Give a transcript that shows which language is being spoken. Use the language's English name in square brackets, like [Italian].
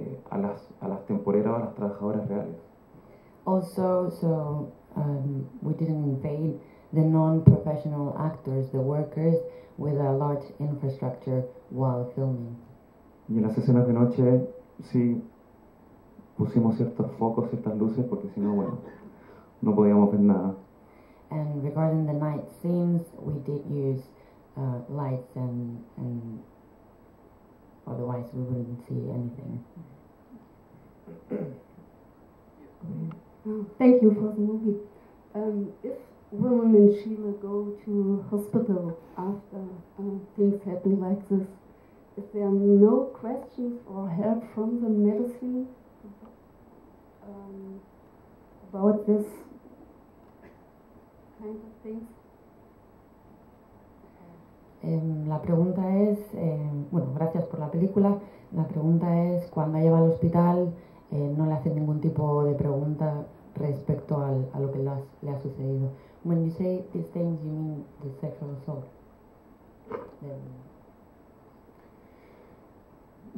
[Spanish] A las temporeras o a las trabajadoras reales. [English] Also, so we didn't invade the non-professional actors, the workers, with a large infrastructure while filming. [Spanish] Y en las escenas de noche sí pusimos ciertos focos, ciertas luces, porque si no, bueno, no podíamos ver nada. [English] And regarding the night scenes, we did use lights and otherwise we wouldn't see anything. Thank you for the movie. If women in Chile go to hospital after things happen like this, if there are no questions or help from the medicine about this kind of things? [Spanish] La pregunta es, bueno, gracias por la película. La pregunta es, cuando lleva al hospital, no le hace ningún tipo de pregunta respecto a lo que le ha sucedido. [English] When you say these things, you mean the sexual assault. them.